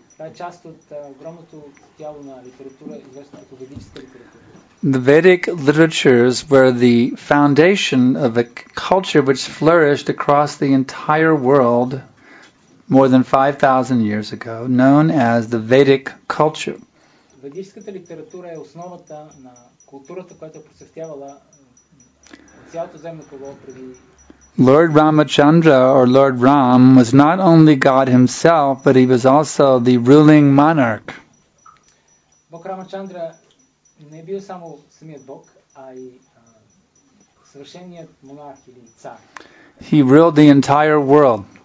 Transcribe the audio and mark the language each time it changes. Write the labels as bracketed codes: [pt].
[en] The Vedic literatures were the foundation of a culture which flourished across the entire world more than 5,000 years ago, known as the Vedic culture. [bg] Ведическата литература е основата на културата, която процъфтявала цялото земно кълбо преди. [en] Lord Ramachandra, or Lord Ram, was not only God himself, but he was also the ruling monarch. [bg] Бог Рамачандра не бил само самият Бог, а и свършеният монарх или цар. [en] He ruled the entire world.